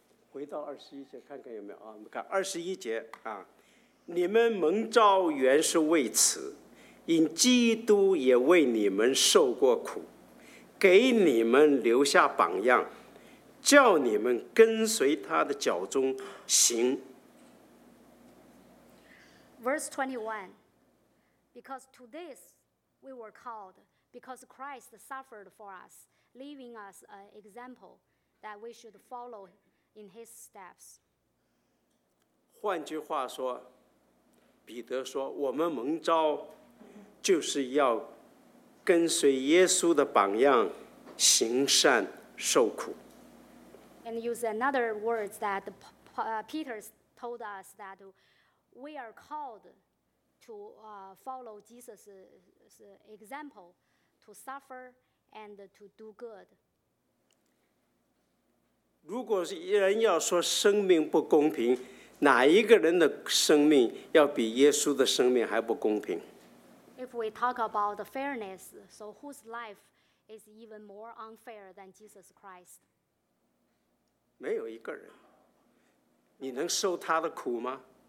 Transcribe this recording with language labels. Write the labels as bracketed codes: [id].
[zh] 回到二十一节看看有没有啊？我们看二十一节啊，你们蒙召原是为此，因基督也为你们受过苦，给你们留下榜样，叫你们跟随他的脚中行。 [en] Verse 21, because to this we were called, because Christ suffered for us, leaving us an example that we should follow. In his steps. [zh] 换句话说，彼得说，我们蒙召就是要跟随耶稣的榜样，行善受苦。 [en] And use another words that Peter told us that we are called to follow Jesus' example, to suffer and to do good. [zh] 如果人要说生命不公平，哪一个人的生命要比耶稣的生命还不公平 [en] ？If we talk about the fairness, so whose life is even more unfair than Jesus Christ? [zh] 没有一个人，你能受他的苦吗